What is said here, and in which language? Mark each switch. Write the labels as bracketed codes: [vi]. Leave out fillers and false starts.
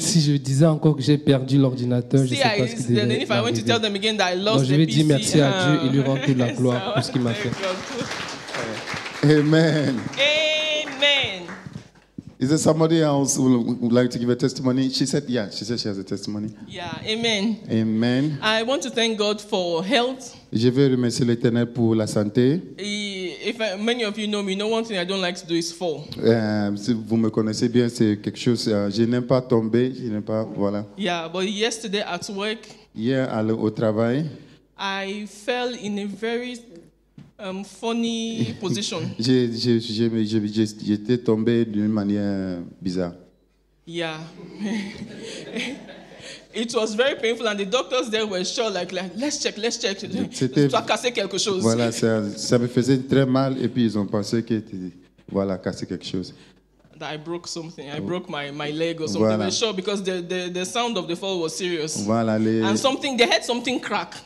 [fr] Si je disais encore que j'ai perdu l'ordinateur, je ne sais pas ce qui devait arriver. [en] Then if I went to tell them again that I lost the PC. [fr] Je vais dire merci à Dieu et lui rendre la gloire pour ce qu'il m'a fait. [en] Amen. Amen. Is there somebody else who would like to give a testimony? She said, yeah, she said she has a testimony. Yeah, amen. Amen. I want to thank God for health. [fr] Je veux remercier l'Éternel pour la santé. [en] Many of you know me, you know one thing I don't like to do is fall. [fr] Si vous me connaissez bien, c'est quelque chose, je n'aime pas tomber, je n'aime pas, voilà. [en] Yeah, but yesterday at work. [fr] Hier, au travail. [en] I fell in a very funny position. [fr] J'étais tombé d'une manière bizarre. [en] Yeah. It was very painful and the doctors there were sure like let's check. [fr] Tu as cassé quelque chose. Voilà, ça me faisait très mal et puis ils ont pensé que voilà, cassé quelque chose. [en] That I broke something. I broke my leg or something. Voilà. I'm sure because the sound of the fall was serious. [fr] Voilà, [en] and something, they heard something crack.